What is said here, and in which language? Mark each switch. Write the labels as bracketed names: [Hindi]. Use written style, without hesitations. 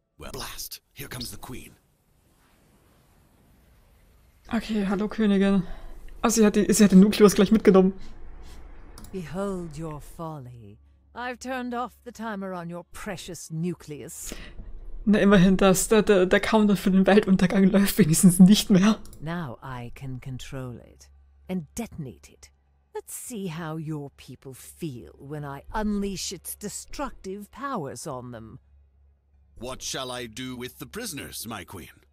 [English] Well, blast, here comes the queen. [German] Okay, hallo Königin. Ach, sie hat den Nukleus gleich mitgenommen. [English] Behold your folly. I've turned off the timer on your precious nucleus. [German] Na, immerhin das. Der Counter für den Weltuntergang läuft wenigstens nicht mehr. [English] Now I can control it and detonate it. Let's see how your people feel when I unleash its destructive powers on them. What shall I do with the prisoners, my queen?